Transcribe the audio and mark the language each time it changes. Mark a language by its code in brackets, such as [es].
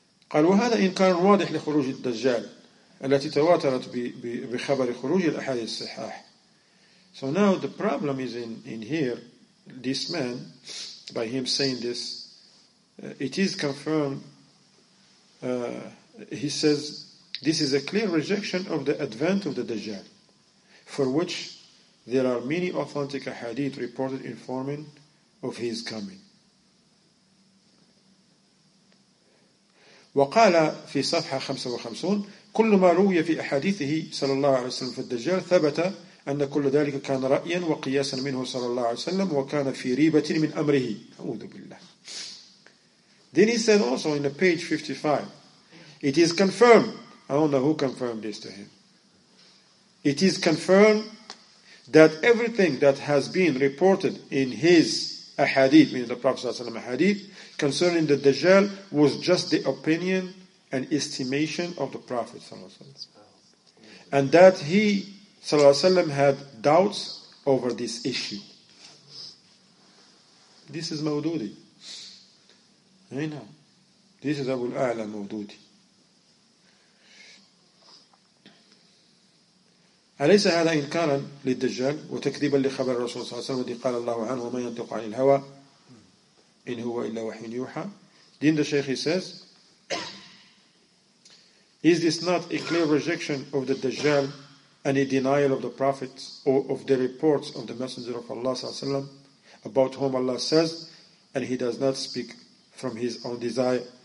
[ar] قال وهذا إنكار واضح لخروج الدجال التي تواترت بخبر خروج الأحاديث الصحاح. [en] So now the problem is in here, this man, by him saying this, it is confirmed, he says, this is a clear rejection of the advent of the Dajjal, for which there are many authentic ahadith reported informing of his coming. [ar] وقال في صفحة 55 كل ما روي في أحاديثه صلى الله عليه وسلم في الدجال ثبت أن كل ذلك كان رأيا وقياسا منه صلى الله عليه وسلم وكان في ريبة من أمره أعوذ بالله. [en] Then he said also in page 55 it is confirmed, I don't know who confirmed this to him, it is confirmed that everything that has been reported in his ahadith, meaning the Prophet ﷺ ahadith, concerning the Dajjal was just the opinion and estimation of the Prophet ﷺ. And that he ﷺ had doubts over this issue. This is Mawdudi. I know. This is Abu al-A'la Mawdudi. [ar] أليس هذا إنكارا للدجال وتكذيبا لخبر الرسول صلى الله عليه وسلم الذي قال الله عنه وما ينطق عن الهوى إن هو إلا وحي يوحى. [en] Then the Sheikh says, is this not a clear rejection of the Dajjal and a denial of the Prophet or of the reports of the Messenger of Allah [ar] صلى الله عليه وسلم [en] about whom Allah says and he does not speak from his own desire.